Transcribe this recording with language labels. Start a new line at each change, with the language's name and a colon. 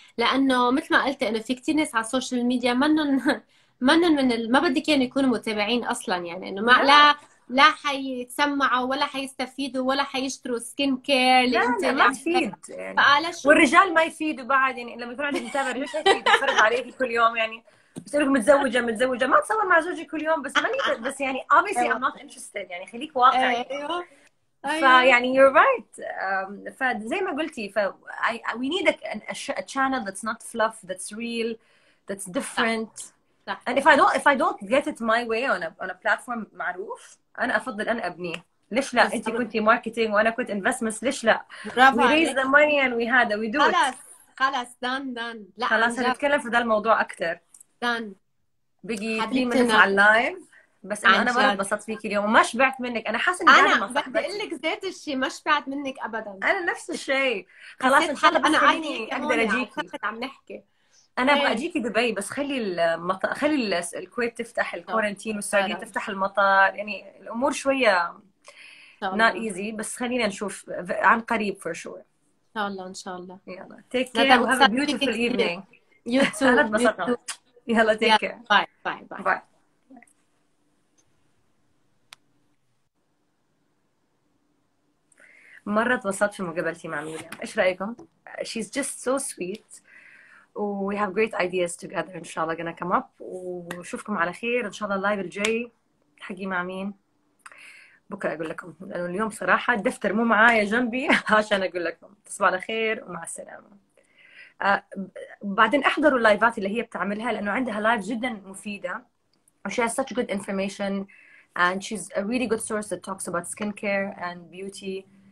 Arabic: لأنه مثل ما قلت إنه في كتير ناس على السوشيال ميديا منن من ما بدك يعني يكونوا متابعين أصلاً, يعني إنه ما لا حيتسمعوا ولا حيستفيدوا ولا حيشتروا سكين كير. لا أنت ما تفيد يعني. والرجال ما يفيدوا بعد, يعني لما يكون عندك متابع مش يفيد, يفرض عليك كل يوم يعني بسألك متزوجة متزوجة، ما تصور مع زوجي كل يوم، بس ماني بس يعني
English: obviously I'm not interested،
Arabic: يعني خليك واقعي. فيعني
English: you're right.
Arabic: فزي ما قلتي ف
English: we need a channel that's not fluff, that's real, that's different.
Arabic: صح.
English: And if I don't get it my way on a platform
Arabic: معروف، أنا أفضل أنا أبني. ليش لا؟ أنت كنتي
English: marketing
Arabic: وأنا كنت
English: investments،
Arabic: ليش لا؟
English: we raise the money and we had it. We do
Arabic: خلاص.
English: it. خلاص done done.
Arabic: لا خلاص هنتكلم في ذا الموضوع أكتر.
English: done.
Arabic: بقي
English: 3 minutes
Arabic: على اللايف. بس إن أنا مرة بسطت فيك اليوم وما شبعت منك. أنا حاسة إن أنا بدي أقول لك ذات الشيء ما شبعت منك أبدا. أنا نفس الشيء. خلاص إن شاء الله بخليني أقدر أجيكي. عم نحكي. أنا أبغى أجيكي دبي، بس خلي المطار، خلي الكويت تفتح، الكورنتين والسعودية تفتح المطار، يعني الأمور شوية
English: not easy،
Arabic: بس خلينا نشوف عن قريب
English: for sure.
Arabic: إن شاء الله إن شاء الله. يلا
English: take care and have a beautiful evening. You too.
Arabic: أنا اتبسطت. يلا
English: take care. Bye bye bye. Bye.
Arabic: مرة اتبسطت في مقابلتي مع ميريام، إيش رأيكم؟
English: She's just so sweet. We have great ideas together, inshallah, gonna come up.
Arabic: وشوفكم على خير إن شاء الله اللايف الجاي. حقي مع مين؟ بكرة أقول لكم، لأنه اليوم صراحة الدفتر مو معايا جنبي عشان أقول لكم. تصبحوا على خير ومع السلامة. بعدين أحضروا اللايفات اللي هي بتعملها، لأنه عندها لايف جدا مفيدة.
English: She has such good information and she's a really good source that talks about skincare and beauty.